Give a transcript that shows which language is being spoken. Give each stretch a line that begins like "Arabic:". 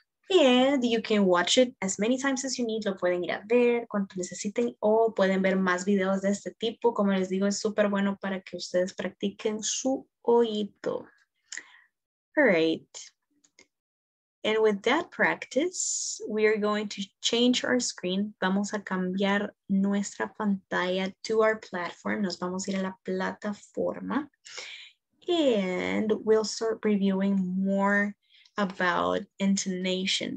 English: And you can watch it as many times as you need.
Spanish: Lo pueden ir a ver cuando necesiten o pueden ver más videos de este tipo. Como les digo, es súper bueno para que ustedes practiquen su oído.
English: All right. And with that practice, we are going to change our screen.
Spanish: Vamos a cambiar nuestra pantalla
English: to our platform.
Spanish: Nos vamos a ir a la plataforma.
English: And we'll start reviewing more about intonation.